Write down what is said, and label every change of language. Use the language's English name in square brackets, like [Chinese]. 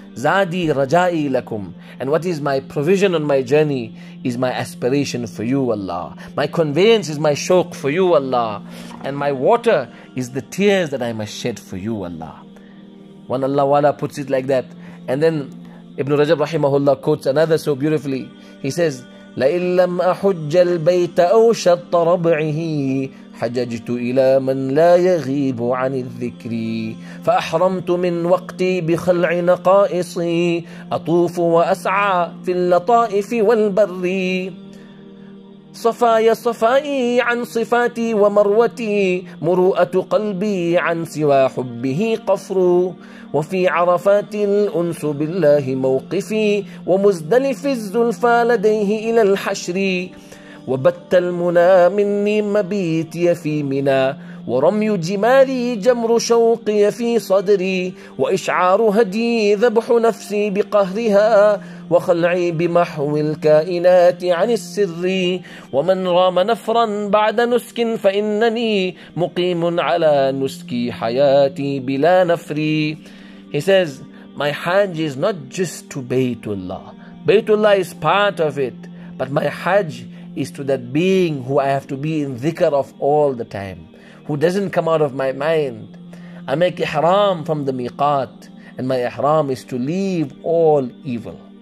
[English] Zadi Raja'i Lakum. And what is my provision on my journey is my aspiration for you, Allah. My conveyance is my shauq for you, Allah. And my water is the tears that I must shed for you, Allah. When Allah Wala puts it like that, and then Ibn Rajab Rahimahullah quotes another so beautifully. He says, [Arabic] لَإِن لَمْ أَحُجَّ الْبَيْتَ أَوْ شَطَّ رَبْعِهِ حججت إلى من لا يغيب عن الذكر فأحرمت من وقتي بخلع نقائصي أطوف وأسعى في اللطائف والبر صفايا صفائي عن صفاتي ومروتي مروءة قلبي عن سوى حبه قفر وفي عرفات الأنس بالله موقفي ومزدلف الزلفى لديه إلى الحشر وبت المنى مني مبيتي في منى ورمي جماري جمر شوقي في صدري وإشعار هدي ذبح نفسي بقهرها وخلعي بمحو الكائنات عن السر ومن رام نفرا بعد نسك فإنني مقيم على نسكي حياتي بلا نفري. [English] He says, my Hajj is not just to Baytullah. Baytullah is part of it, but my Hajj is to that being who I have to be in dhikr of all the time, who doesn't come out of my mind. I make ihram from the miqat, and my ihram is to leave all evil.